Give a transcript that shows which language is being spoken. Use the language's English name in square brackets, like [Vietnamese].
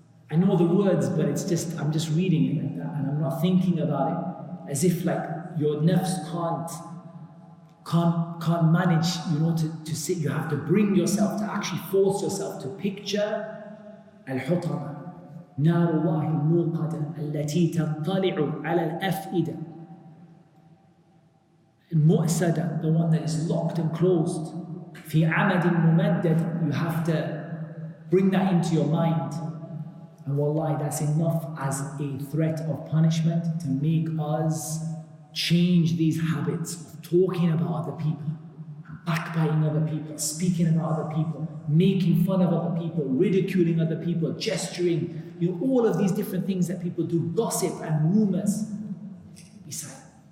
[English] And I know the words, but I'm just reading it like that. And I'm not thinking about it as if like, your nafs can't manage, you know, to sit. You have to bring yourself, to actually force yourself to picture al-hutama. [Arabic] نَارُ اللَّهِ الْمُوْقَدَ الَّتِي تَطَّلِعُ عَلَى الْأَفْئِدَ الْمُؤْسَدَ, [English] the one that is locked and closed. [Arabic] فِي عَمَدٍ مُمَدَّدٍ, [English] you have to bring that into your mind. And wallahi, that's enough as a threat of punishment to make us change these habits of talking about other people, backbiting other people, speaking about other people, making fun of other people, ridiculing other people, gesturing, you know, all of these different things that people do, gossip and rumors. Be silent.